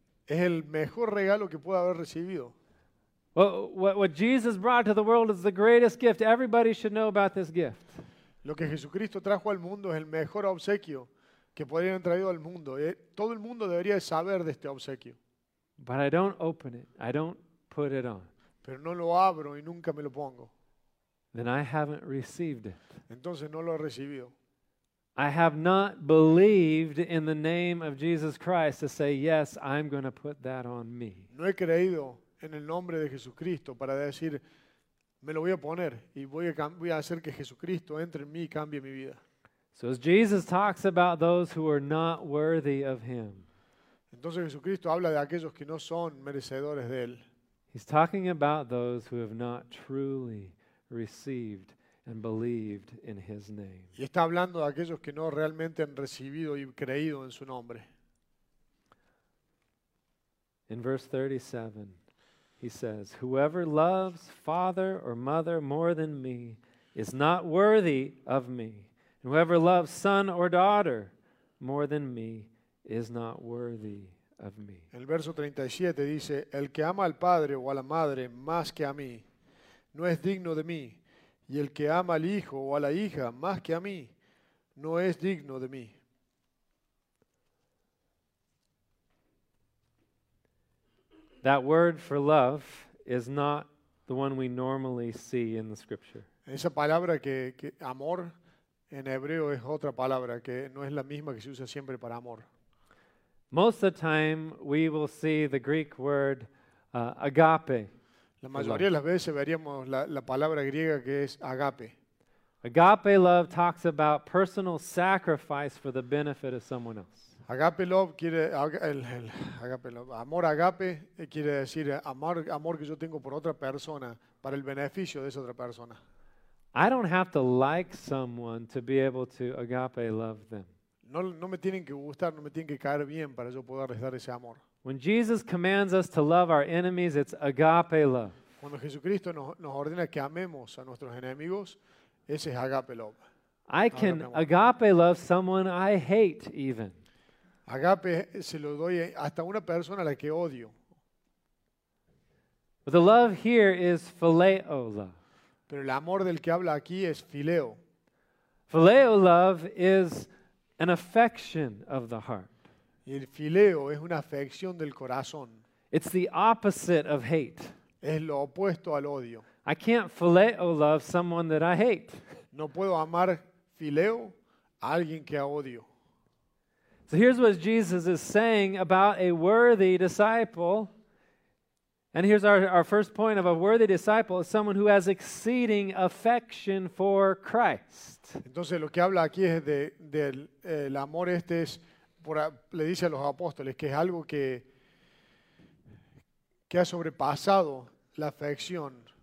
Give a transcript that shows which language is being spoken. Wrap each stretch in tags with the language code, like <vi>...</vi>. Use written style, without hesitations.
<es>Es el mejor regalo que puedo haber recibido.</es> <en>What Jesus brought to the world is the greatest gift. Everybody should know about this gift.</en> <es>Lo que Jesucristo trajo al mundo es el mejor obsequio que podría haber traído al mundo. Todo el mundo debería saber de este obsequio.</es> <en>But I don't open it. I don't put it on.</en> <es>Pero no lo abro y nunca me lo pongo.</es> <en>Then I haven't received it.</en> <es>Entonces no lo he recibido.</es> <en>I have not believed in the name of Jesus Christ to say, yes, I'm going to put that on me.</en> <es>No he creído en el nombre de Jesucristo para decir, me lo voy a poner y voy a hacer que Jesucristo entre en mí y cambie mi vida.</es> <en>So as Jesus talks about those who are not worthy of him.</en> <es>Entonces Jesucristo habla de aquellos que no son merecedores de él.</es> <en>He's talking about those who have not truly received and believed in his name.</en> <es>Y está hablando de aquellos que no realmente han recibido y creído en su nombre.</es> <en>In verse 37, he says, whoever loves father or mother more than me is not worthy of me. And whoever loves son or daughter more than me is not worthy of me.</en> <es>En el verso 37 dice, el que ama al padre o a la madre más que a mí no es digno de mí. Y el que ama al hijo o a la hija más que a mí no es digno de mí.</es> <en>That word for love is not the one we normally see in the scripture.</en> <es>Esa palabra que amor en hebreo es otra palabra que no es la misma que se usa siempre para amor.</es> <en>Most of the time we will see the Greek word agape.</en> <es>La mayoría de las veces veríamos la palabra griega que es agape.</es> <en>Agape love talks about personal sacrifice for the benefit of someone else. Agape love</en> <es>quiere el</es> <en>agape love,</en> <es>amor agape quiere decir amor que yo tengo por otra persona para el beneficio de esa otra persona.</es> <en>I don't have to like someone to be able to agape love them.</en> <es>No me tienen que gustar, no me tienen que caer bien para yo poder dar ese amor.</es> <en>When Jesus commands us to love our enemies, it's agape love.</en> <es>Cuando Jesucristo nos ordena que amemos a nuestros enemigos, ese es</es> <en>agape love. I can agape love someone I hate even.</en> <es>Agape se lo doy hasta una persona a la que odio.</es> <en>But the love here is phileo love.</en> <es>Pero el amor del que habla aquí es phileo.</es> <en>Phileo love is an affection of the heart.</en> <es>Y el fileo es una afección del corazón.</es> <en>It's the opposite of hate.</en> <es>Es lo opuesto al odio.</es> <en>I can't phileo love someone that I hate.</en> <es>No puedo amar fileo a alguien que odio.</es> <en>So here's what Jesus is saying about a worthy disciple. And here's our first point of a worthy disciple is someone who has exceeding affection for Christ.</en> <es>Entonces lo que habla aquí es del amor este es, le dice a los apóstoles que es algo que ha sobrepasado la afección.</es>